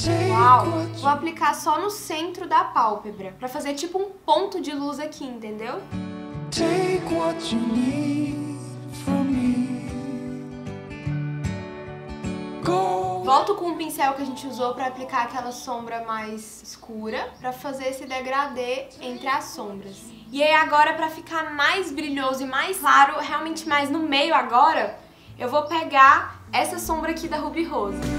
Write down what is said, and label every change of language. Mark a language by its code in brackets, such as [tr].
[pt] Uau! Vou aplicar só no centro da pálpebra. Pra fazer tipo um ponto de luz aqui, entendeu? [en] Take what you need from me. Go. [pt] Volto com o pincel que a gente usou pra aplicar aquela sombra mais escura. Pra fazer esse degradê entre as sombras. E aí agora, pra ficar mais brilhoso e mais claro, realmente mais no meio agora, eu vou pegar essa sombra aqui da Ruby Rose.